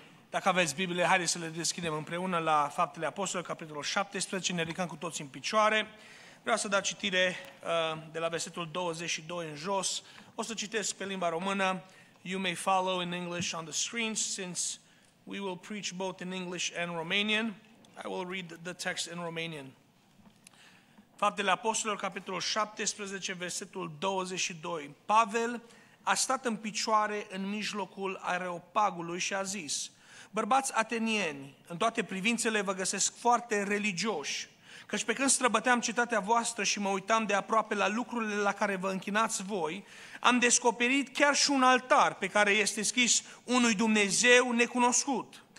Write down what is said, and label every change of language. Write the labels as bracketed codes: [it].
[ro] Dacă aveți Biblie, haideți să le deschidem împreună la Faptele Apostolilor, capitolul 17, ne ridicăm cu toți în picioare. Vreau să dau citire de la versetul 22 în jos. O să citesc pe limba română. [en] You may follow in English on the screen, since we will preach both in English and Romanian. I will read the text in Romanian. [ro] Faptele Apostolilor, capitolul 17, versetul 22. Pavel a stat în picioare în mijlocul Areopagului și a zis: bărbați atenieni, în toate privințele vă găsesc foarte religioși, căci pe când străbăteam cetatea voastră și mă uitam de aproape la lucrurile la care vă închinați voi, am descoperit chiar și un altar pe care este scris unui Dumnezeu necunoscut.